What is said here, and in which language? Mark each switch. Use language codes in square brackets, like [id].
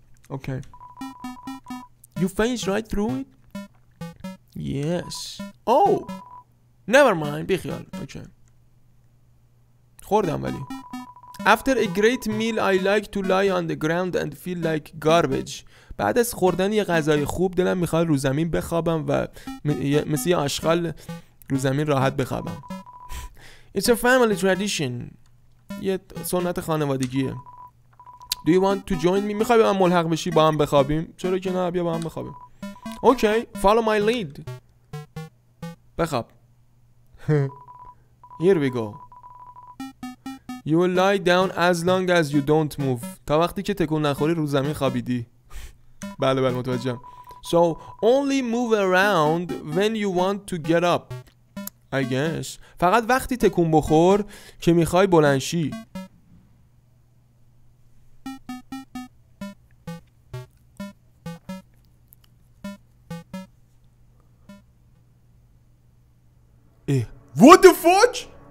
[en] Okay. You finish right through it? Yes. Oh. Never mind. [fa] بی خیال. [en] Okay. [fa] خوردم ولی. [en] After a great meal, I like to lie on the ground and feel like garbage. [fa] بعد از خوردن یه غذای خوب دلم میخواد رو زمین بخوابم و مثل یه آشغال رو زمین راحت بخوابم. [en] It's a family tradition. [fa] یه سنت خانوادگیه. [en] Do you want to join me? [fa] میخوای با من ملحق بشی با هم بخوابیم؟ چرا که نه، بیا با هم بخوابیم. [en] Okay, follow my lead. [fa] بخواب. [en] Here we go. You will lie down as long as you don't move. [fa] تا وقتی که تکون نخوری رو زمین خوابیدی. بله بله متوجهم. [en] So only move around when you want to get up, I guess. [fa] فقط وقتی تکون بخور که میخوای بلند شی. [en] What the fuck?